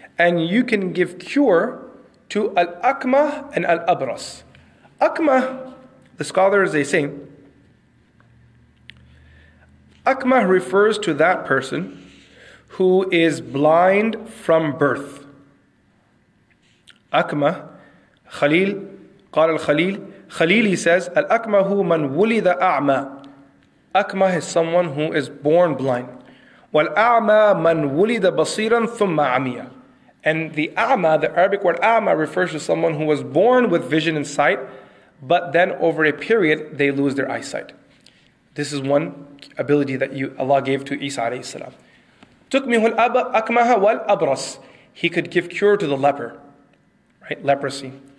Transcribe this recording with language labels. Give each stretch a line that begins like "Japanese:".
English: And you can give cure to al-akmah and al-abras. Akmah, the scholars, they say, akmah refers to that person who is blind from birth. Akmah.
Arabic: Khalil, قال الخليل, Khalil,
English: he says,
Arabic: الأكمه من ولد أعمى.
English: أكمه is someone who is born blind.
Arabic: والأعمى من ولد بصيرا ثم عمية.
English: And the أعمى, the Arabic word أعمى, refers to someone who was born with vision and sight, but then over a period, they lose their eyesight. This is one ability that Allah gave to Isa عليه السلام.
Arabic: تكمه الأكمه والأبرص.
English: He could give cure to the leper, right? Leprosy.